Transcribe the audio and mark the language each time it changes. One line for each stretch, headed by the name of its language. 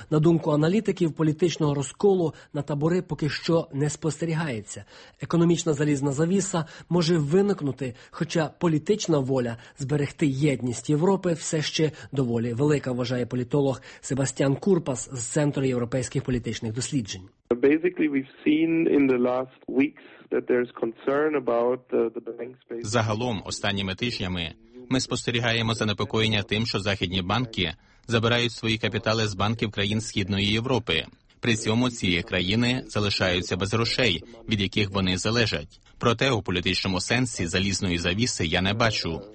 Ukrainian: На думку аналітиків, політичного розколу на табори поки що не спостерігається. Економічна залізна завіса може виникнути, хоча політична воля зберегти єдність Європи все ще доволі велика, вважає політолог Себастьян Курпас з Центру європейських політичних досліджень.
English: Basically, we've seen in the last weeks that there's concern about the bank space.
Ukrainian: Загалом, останніми тижнями ми спостерігаємо занепокоєння тим, що західні банки забирають свої капітали з банків країн Східної Європи. При цьому ці країни залишаються без грошей, від яких вони залежать. Проте у політичному сенсі залізної завіси я не бачу.